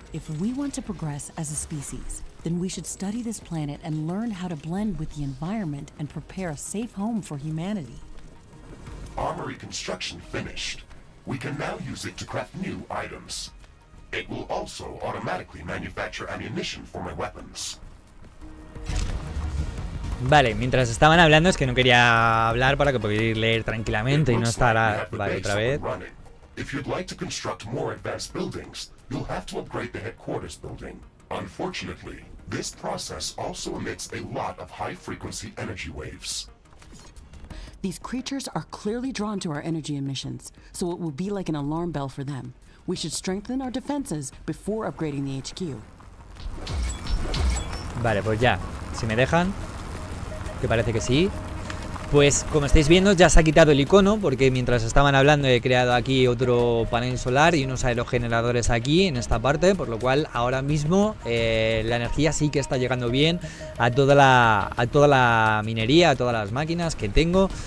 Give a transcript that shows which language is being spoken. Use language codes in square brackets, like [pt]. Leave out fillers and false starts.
[en] If we want to progress as a species, then we should study this planet and learn how to blend with the environment and prepare a safe home for humanity. Armory construction finished. We can now use it to craft new items. It will also automatically manufacture ammunition for my weapons. [es] Vale, mientras estaban hablando, es que no quería hablar para que pudiera leer tranquilamente y no estar a... Vale, otra vez. [en] If you'd like to construct more advanced buildings, you'll have to upgrade the headquarters building. Unfortunately, this process also emits a lot of high frequency energy waves. These creatures are clearly drawn to our energy emissions, so it will be like an alarm bell for them. We should strengthen our defenses before upgrading the HQ. [es] Vale, pues ya, si me dejan, que parece que sí. Pues como estáis viendo, ya se ha quitado el icono, porque mientras estaban hablando he creado aquí otro panel solar y unos aerogeneradores aquí en esta parte, por lo cual ahora mismo la energía sí que está llegando bien a toda la minería, a todas las máquinas que tengo.